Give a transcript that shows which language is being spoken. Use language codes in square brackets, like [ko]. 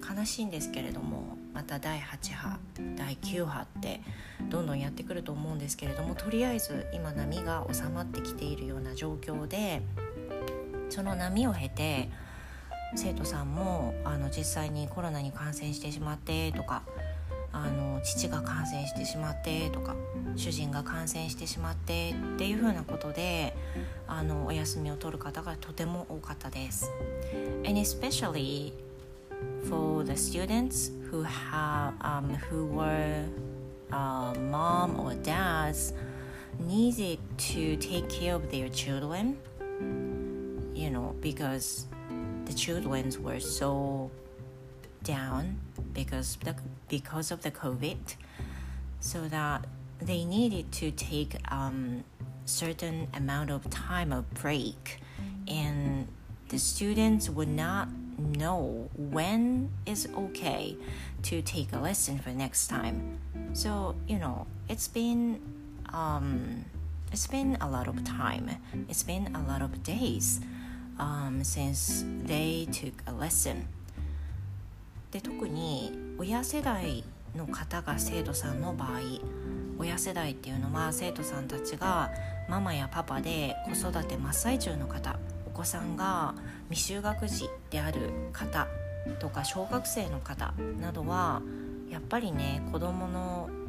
[ja] 悲しいんですけれども、また第8波、第9波ってどんどんやってくると思うんですけれども、とりあえず今波が収まってきているような状況で、その波を経て生徒さんも実際にコロナに感染してしまってとか、父が感染してしまってとか、主人が感染してしまってっていうふうなことで、お休みを取る方がとても多かったです。 [en] And especially for the students who have, who were, mom or dads needed to take care of their children, you know, because the children were so down because of the COVID, so that they needed to take certain amount of time of break, and the students would not know when is okay to take a lesson for next time. So, you know, it's been a lot of time. It's been a lot of days since they took a lesson. [ja] で、特に親世代の方が生徒さんの場合、親世代っていうのは生徒さんたちがママやパパで子育て真っ最中の方、お子さんが未就学児である方とか小学生の方などは、やっぱりね、子供の